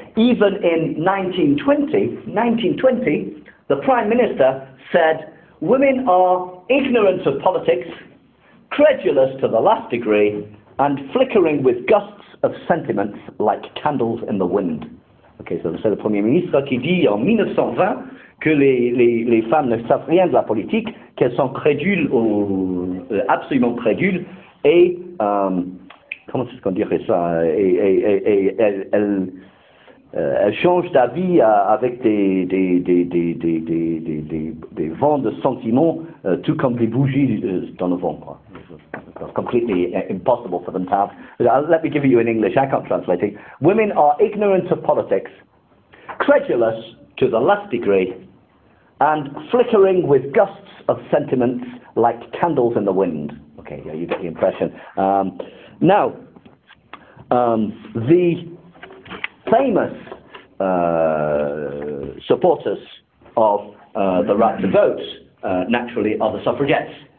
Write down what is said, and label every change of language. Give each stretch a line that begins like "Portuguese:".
English: Even in 1920, the Prime Minister said, women are ignorant of politics, credulous to the last degree, and flickering with gusts of sentiments like candles in the wind.
French: Okay, so c'est le Premier ministre qui dit en 1920 que les femmes ne savent rien de la politique, qu'elles sont crédules ou absolument crédules, et comment est-ce qu'on dirait ça, elles changent d'avis avec des vents de sentiments, tout comme des bougies dans le vent, quoi.
English: Completely impossible for them to have. Let me give you in English. I can't translate it. Women are ignorant of politics, credulous to the last degree, and flickering with gusts of sentiments like candles in the wind. Okay, yeah, you get the impression. The famous supporters of the right to vote, naturally, are the suffragettes.